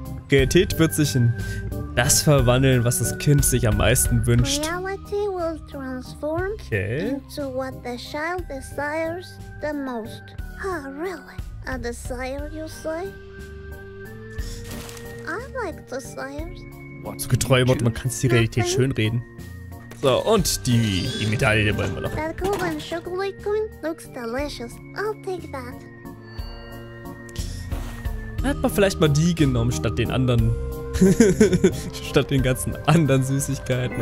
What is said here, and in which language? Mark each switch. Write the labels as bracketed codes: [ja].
[de] Realität wird sich in das verwandeln, was das Kind sich am meisten wünscht. [en] Reality will transform into what the child desires the most. Oh, really? A desire, you say? I like desires. [de] Zu getreu Wort, man kann es die Realität schönreden. So, und die Medaille wollen wir noch. [en] That golden chocolate coin looks delicious. I'll take that. [de] Hat man vielleicht mal die genommen, statt den anderen. Statt den ganzen anderen Süßigkeiten.